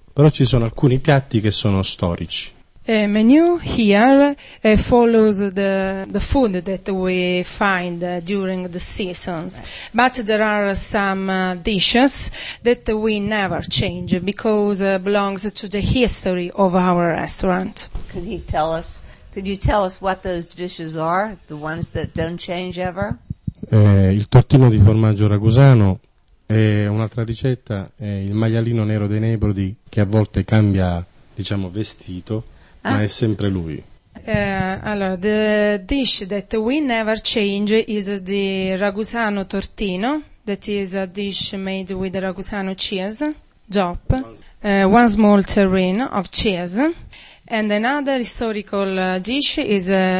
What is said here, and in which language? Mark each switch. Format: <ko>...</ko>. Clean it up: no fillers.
<it>Però ci sono alcuni piatti che sono storici.</it> <en>The menu here follows the food that we find during the seasons. But there are some dishes that we never change because it belongs to the history of our restaurant. Can you tell us what those dishes are, the ones that don't change ever?</en> <it>Il tortino di formaggio ragusano è un'altra ricetta, è il maialino nero dei Nebrodi che a volte cambia, diciamo, vestito. Ma è sempre lui.</it> <en>Allora, the dish that we never change is the ragusano tortino, that is a dish made with ragusano cheese, DOP, one small tureen of cheese, and another historical dish is</en>